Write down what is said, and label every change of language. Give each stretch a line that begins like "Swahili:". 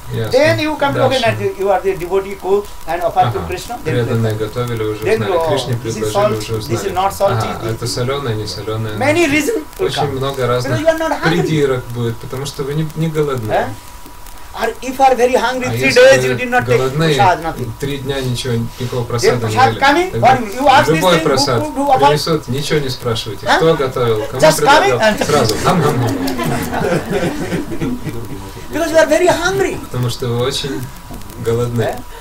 English: Then you come to know that you are the devotee cook and offer to Krishna.
Russian: Преданные готовили уже,
English: then
Russian: знали. Кришне предложили уже, знали.
English: This is not salty.
Russian: Это соленое, не соленое.
English: Many reasons will come.
Russian: Очень много разных придирок будет, потому что вы не голодны.
English: Or if you are very hungry, three days you did not take prasad, nothing.
Russian: Три дня ничего, никакого просада не ели.
English: Then prasad coming, one, you ask
Russian: любой
English: this thing,
Russian: просад
English: who offered?
Russian: Принесут, ничего не спрашивайте. Huh? Кто готовил, кому
English: just
Russian: предлагал? Сразу, хам-хам-хам.
English: Because you are very hungry.
Russian: Потому что вы очень голодны.